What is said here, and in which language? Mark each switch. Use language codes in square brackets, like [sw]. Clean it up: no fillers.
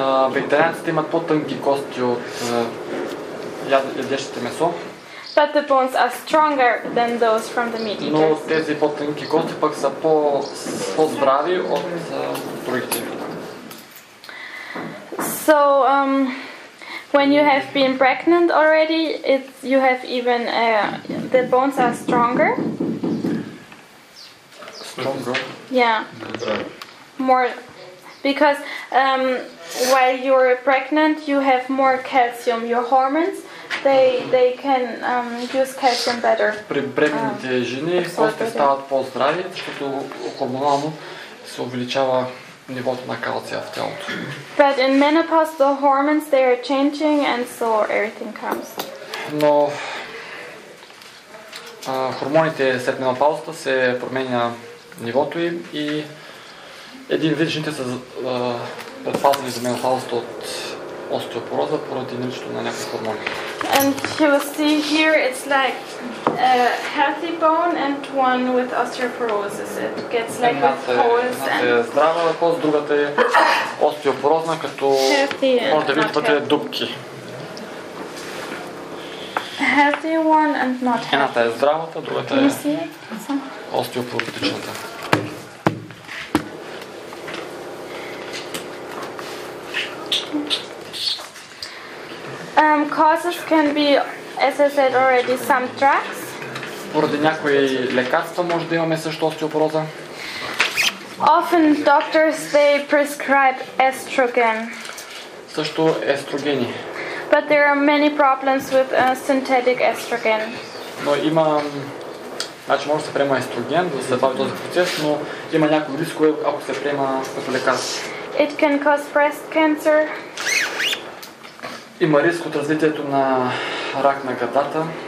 [bg] Вегетарианците имат по-тънки кости от ядещите месо. [en] But the bones are stronger than those from the meat eaters. [bg] Но тези по-тънки кости пък са по-здрави от другите. [en] So when you have been pregnant already, you have even the bones are stronger. Stronger. Yeah. More, because while you're pregnant, you have more calcium. Your hormones, they can use calcium better. [bg] При бременните жени костите стават по-здрави, защото хормонално се увеличава нивото на калция в тялото. [en] But in menopause the hormones they are changing and so everything comes. [bg] Но хормоните след менопаузата се променя нивото им и един вид жените са предпазени за менопаузата от остеопороза поради наличието на някакви хормони. [en] And you will see here it's like a healthy bone and one with osteoporosis. It gets like with holes and... [bg] Едната е здрава кост, другата е остеопорозна, като може да видите вътре дупки. [en] Healthy one and not healthy. [bg] Едната е здравата, другата е остеопоротичната. [en] Causes can be, as I said already, some drugs. [bg] Поради някои лекарства може да имаме също остеопороза. [en] Often doctors they prescribe estrogen. [bg] Също естрогени. [en] But there are many problems with synthetic estrogen. [bg] Но има, значи може да се приема естроген, да се бави този процес, но има някои рискове, ако се приема като лекарство. [en] It can cause breast cancer. [bg] Има риск от развитието на рак на гърдата.